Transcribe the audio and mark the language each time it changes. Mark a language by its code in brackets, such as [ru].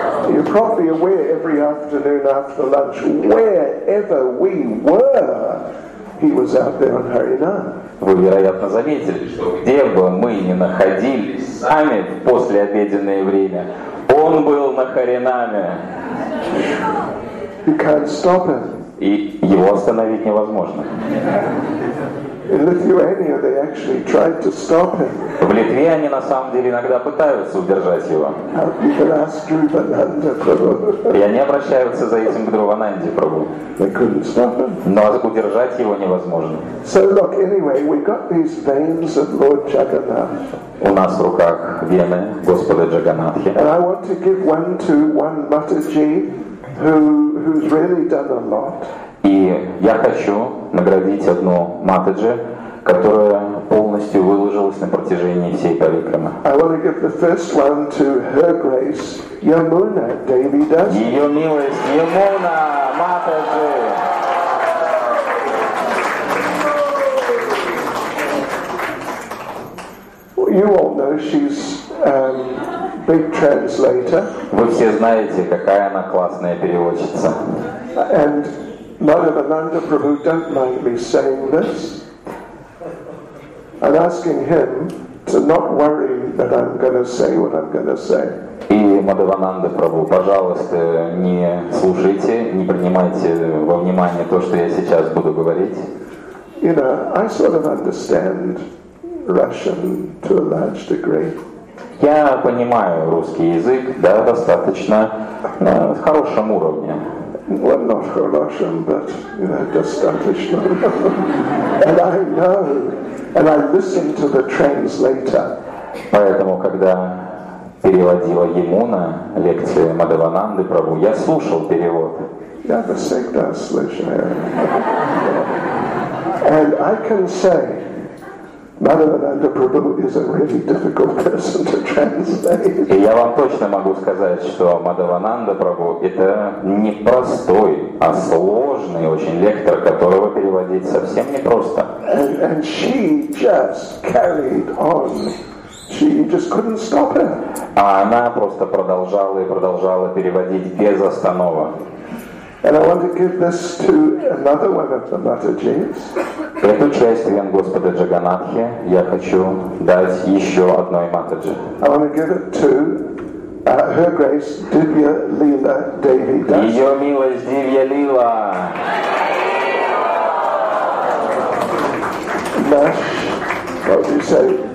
[en] You're probably aware every afternoon after lunch, wherever we were, he was out there on Harinam. [ru] Вы, вероятно, заметили, что где бы мы ни находились сами в послеобеденное время, он был на Харинаме. [en] You can't stop him. [ru] И его остановить невозможно. [en] In Lithuania they actually tried to stop him. [ru] В Литве они на самом деле иногда пытаются удержать его. [en] You can ask Drupananda Prabhu. [ru] И они обращаются за этим к Друпананде Прабху. [en] They couldn't stop him. [ru] Но удержать его невозможно. [en] So look, anyway, we got these veins of Lord Jagannath. [ru] У нас в руках вены Господа Джаганнатхи. [en] And I want to give one to one Mataji, who's really done a lot. [ru] И я хочу наградить одну Матаджи, которая полностью выложилась на протяжении всей парикрамы. [en] I want to give the first one to Her Grace Yamuna Devi Das. [ru] Ее милость Ямуна Матаджи. [en] You all know she's big translator. [ru] Вы все знаете, какая она классная переводчица. [en] And Madhavananda Prabhu, don't mind me saying this, I'm asking him to not worry that I'm going to say what I'm going to say. [ru] И Мадхавананда Прабху, пожалуйста, не слушайте, не принимайте во внимание то, что я сейчас буду говорить. [en] You know, I sort of understand Russian to a large degree. [ru] Я понимаю русский язык, да, достаточно в хорошем уровне. [en] Well, not хорошем, but you know, достаточно. And I know, and I listen to the translator. [ru] Поэтому, когда переводила ему на лекции Мадхавананды Прабху, я слушал перевод. Я всегда слышал. [en] And I can say, Madhavananda Prabhu is a really difficult person to translate. [ru] И я вам точно могу сказать, что Мадхавананда Прабху это не простой, а сложный очень лектор, которого переводить совсем не просто. [en] And she just carried on. She just couldn't stop her. [ru] А она просто продолжала и продолжала переводить без остановок. [en] And I want to give this to another one of the Matajis. [ru] Эту часть вен Господа Джаганатхи я хочу дать еще одной Матаджи. [en] I want to give it to Her Grace Divya Lila Devi Das. [ru] Ее милость Дивья Лила. [en] Mash, what would you say?